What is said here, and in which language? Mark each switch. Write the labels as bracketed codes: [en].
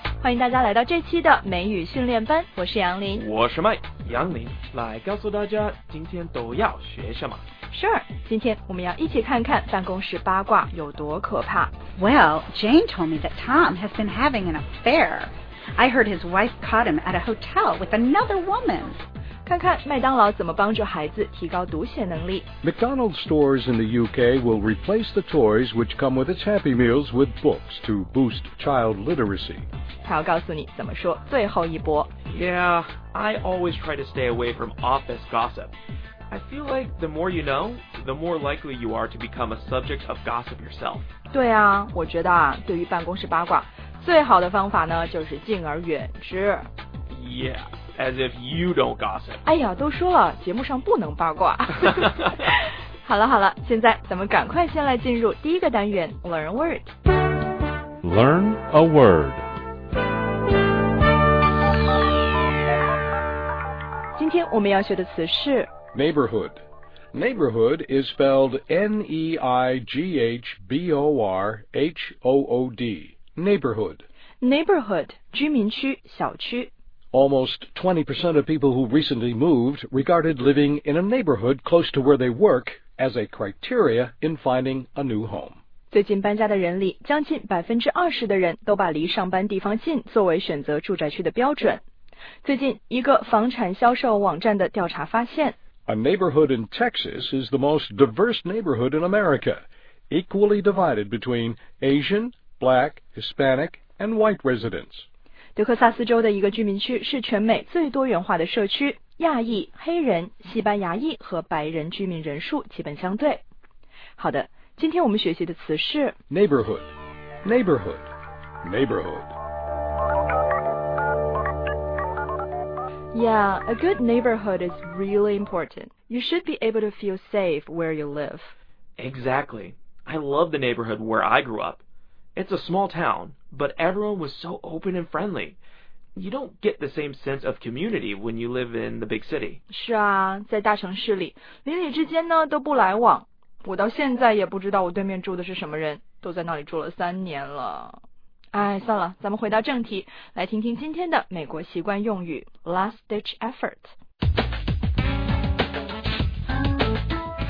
[zh] 迎大家来到这期的美语训练班，我是杨林。我是麦杨林，来告诉大家今天都要学什么。 [en] Sure, [zh] 今天我们要一起看看办公室八卦有多可怕。 [en] Well, Jane told me that Tom has been having an affair. I heard his wife caught him at a hotel with another woman. [zh] 看看麦当劳怎么帮助孩子提高读写能力。 [en] McDonald's stores in the UK will replace the toys which come with its Happy Meals with books to boost child literacy. [zh] 他要告诉你怎么说最后一波。 [en] Yeah, I always try to stay away from office gossip. I feel like the more you know, the more likely you are to become a subject of gossip yourself. [zh] 对啊，我觉得啊，对于办公室八卦，最好的方法呢，就是敬而远之。 [en] Yeah, as if you don't gossip. [zh] 哎呀，都说了，节目上不能八卦。好了好了，现在咱们赶快先来进入第一个单元 , [en] Learn a Word. Learn a Word. [zh] 今天我们要学的词是 [en] Neighborhood. Neighborhood is spelled N-E-I-G-H-B-O-R-H-O-O-D. Neighborhood. [zh] Neighborhood, 居民区、小区. [en] Almost 20% of people who recently moved regarded living in a neighborhood close to where they work as a criteria in finding a new home. [zh] 最近搬家的人里，将近 20% 的人都把离上班地方近作为选择住宅区的标准。最近，一个房产销售网站的调查发现， [en] A neighborhood in Texas is the most diverse neighborhood in America, equally divided between Asian, Black, Hispanic, and White residents. [zh] 德克萨斯州的一个居民区是全美最多元化的社区，亚裔、黑人、西班牙裔和白人居民人数基本相对。好的，今天我们学习的词是 [en] neighborhood, neighborhood, neighborhood. Yeah, a good neighborhood is really important. You should be able to feel safe where you live. Exactly. I love the neighborhood where I grew up. It's a small town, but everyone was so open and friendly. You don't get the same sense of community when you live in the big city. [zh] 是啊，在大城市里，邻里之间呢都不来往。我到现在也不知道我对面住的是什么人，都在那里住了三年了。哎，算了，咱们回到正题，来听听今天的美国习惯用语 [en] Last Ditch Effort。